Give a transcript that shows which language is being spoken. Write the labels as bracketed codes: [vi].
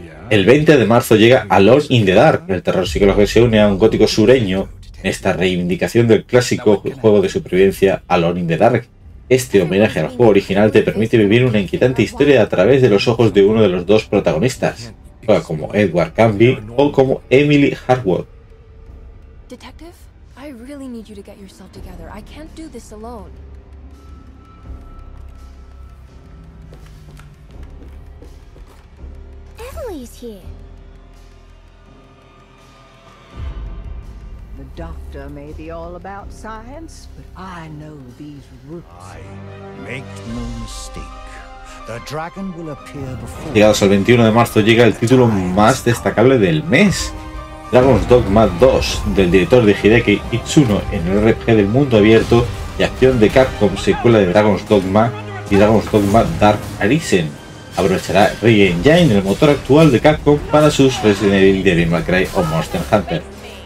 [es] El 20 de marzo llega Alone in the Dark, el terror psicológico se une a un gótico sureño en esta reivindicación del clásico juego de supervivencia Alone in the Dark. Este homenaje al juego original te permite vivir una inquietante historia a través de los ojos de uno de los dos protagonistas, juega como Edward Canby o como Emily Hartwood. [en] Detective, I really need you to get yourself together. I can't do this alone. Emily's here. The doctor may be all about science, but I know these roots. I make no mistake. The dragon will appear before. [es] Llegados al 21 de marzo llega el título más destacable del mes, Dragon's Dogma 2, del director de Hideki Itsuno, en el RPG del mundo abierto y acción de Capcom, secuela de Dragon's Dogma y Dragon's Dogma Dark Arisen. aprovechará Re-Engine, el motor actual de Capcom, para sus Resident Evil, Devil May Cry o Monster Hunter.